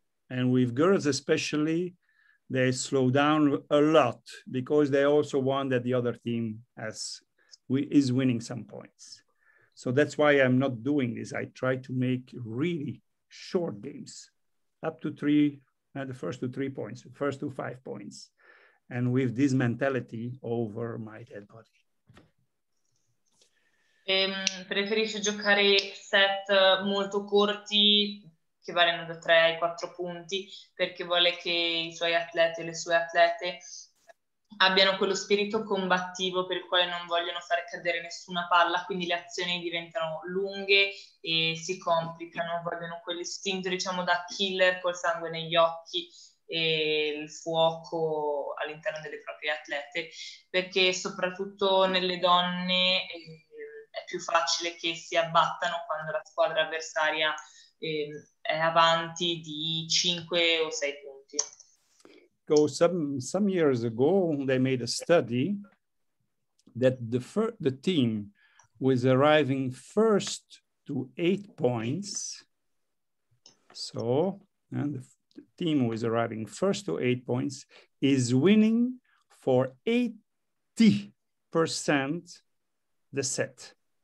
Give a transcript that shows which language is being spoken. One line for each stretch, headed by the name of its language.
English: And with girls especially, they slow down a lot because they also want that the other team is winning some points. So that's why I'm not doing this. I try to make really short games, up to 3, the first to 3 points, the first to 5 points, and with this mentality over my dead body.
Italian: Preferisci giocare set molto corti, che variano da 3 ai 4 punti, perché vuole che i suoi atleti e le sue atlete abbiano quello spirito combattivo per il quale non vogliono far cadere nessuna palla, quindi le azioni diventano lunghe e si complicano, vogliono quell'istinto, diciamo, da killer col sangue negli occhi e il fuoco all'interno delle proprie atlete, perché soprattutto nelle donne è più facile che si abbattano quando la squadra avversaria è avanti di 5 o 6 punti.
English: So some years ago they made a study that the team was arriving first to 8 points. So, and the team was arriving first to 8 points is winning for 80% the set.